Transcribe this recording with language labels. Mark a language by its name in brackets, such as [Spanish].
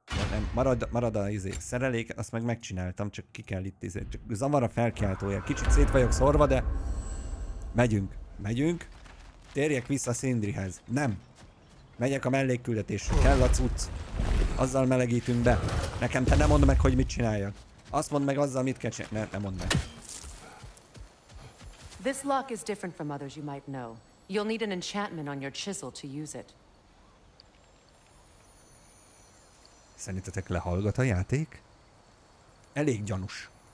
[Hungarian] Nem, marad a izé szerelék, azt meg megcsináltam, csak ki kell itt izé, csak zavar a felkiáltója, kicsit szét vagyok szorva, de... Megyünk. Térjek vissza Sindrihez. Nem. Megyek a mellékküldetésre, kell a cucc. Azzal melegítünk be. Nekem te nem mondd meg, hogy mit csináljak. Azt mondd meg azzal, mit kell csinálni. Ne mondd meg. [English] This lock is different from others you might know. You'll need an enchantment on your chisel to use it. [Hungarian] Szerintetek lehallgat a játék? Elég gyanús.